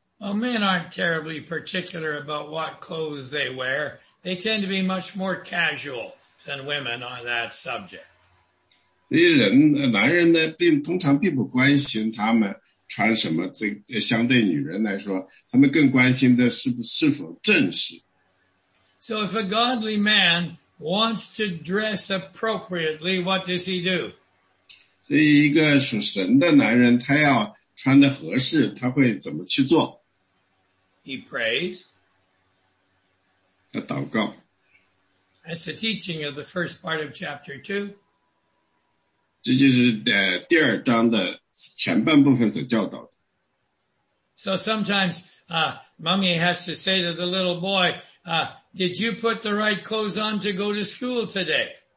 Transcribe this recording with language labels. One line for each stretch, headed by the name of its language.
English: Well, men aren't terribly particular about what clothes they wear. They tend to be much more casual than women on that subject.
Chinese: 男人呢，并通常并不关心他们穿什么，相对女人来说，他们更关心的是否正式。
English: So if a godly man wants to dress appropriately, what does he do?
Chinese: 所以一个属神的男人，他要穿得合适，他会怎么去做？
English: He prays.
Chinese: 他祷告。
English: That's the teaching of the first part of chapter 2.
Chinese: 这就是第二章的前半部分所教导的。
English: So sometimes, mommy has to say to the little boy, did you put the right clothes on to go to school today?